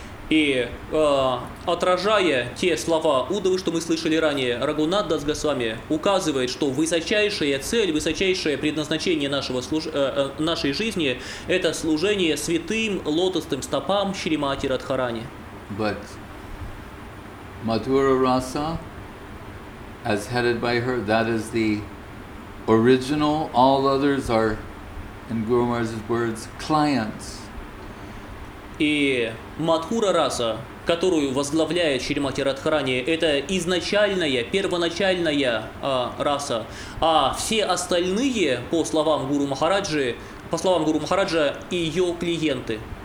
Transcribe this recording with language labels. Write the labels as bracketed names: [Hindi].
[Russian] И отражая те слова Удовы, что мы слышали ранее, Рагунат Дас Госвами указывает, что высочайшая цель, высочайшее предназначение нашей жизни – это служение святым лотосным стопам Шримати Радхарани. [English] But Madhura Rasa, as headed by her, that is the original. All others are, in Guru Maharaj's words, clients. [Russian] И Мадхура Раса, которую возглавляет Шримати Радхарани, это изначальная, первоначальная раса. А все остальные, по словам Гуру Махараджа, ее клиенты.